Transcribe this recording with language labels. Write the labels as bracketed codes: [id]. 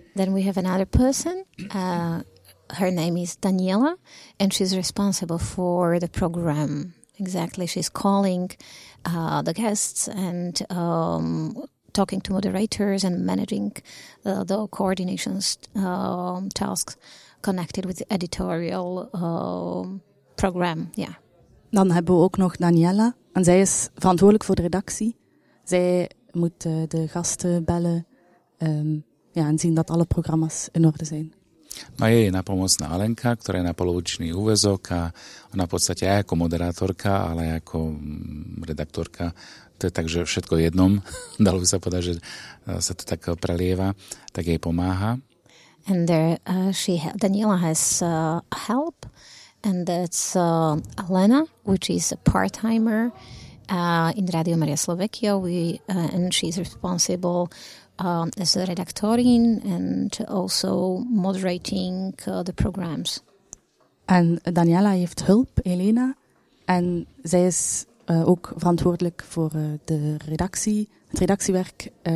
[en] Then we have another person. Her name is Daniela and she's responsible for the program. Exactly, she's calling the guests and talking to moderators and managing the coordination tasks connected with the editorial program. Yeah. [nl] Dan hebben we ook nog Daniela en zij is verantwoordelijk voor de redactie. Zij moet de gasten bellen en zien dat alle programma's in orde zijn. [sk] Maar je napomocná Alenka, ktorá je na polovičný úväzok a ona v podstate aj ako moderátorka, ale aj ako redaktorka. To je tak, že všetko jednom, dalo by sa povedať, že sa to tak prelieva, tak jej pomáha. [en] And there, Daniela has help and that's Alena, which is a part-timer in Radio Maria Slovakia. And she's responsible as a redactorin and also moderating the programs. [nl] En Daniela heeft hulp, Elena, en zij is ook verantwoordelijk voor de redactie, het redactiewerk.